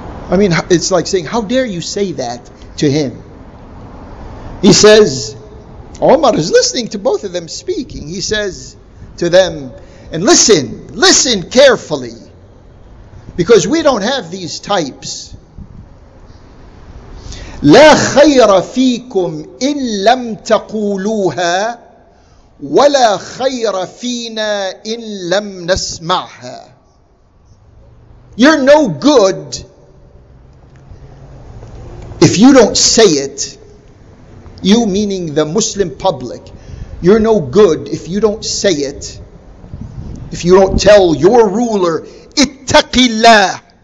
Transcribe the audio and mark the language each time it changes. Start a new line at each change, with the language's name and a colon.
English: I mean, it's like saying, how dare you say that to him? He says, Umar is listening to both of them speaking. He says to them, and listen, listen carefully, because we don't have these types.
Arabic: لا خير فيكم إن لم تقولوها ولا خير فينا إن لم نسمعها.
English: You're no good if you don't say it. You meaning the Muslim public. You're no good if you don't say it. If you don't tell your ruler,
Arabic: اتَّقِ اللَّهِ.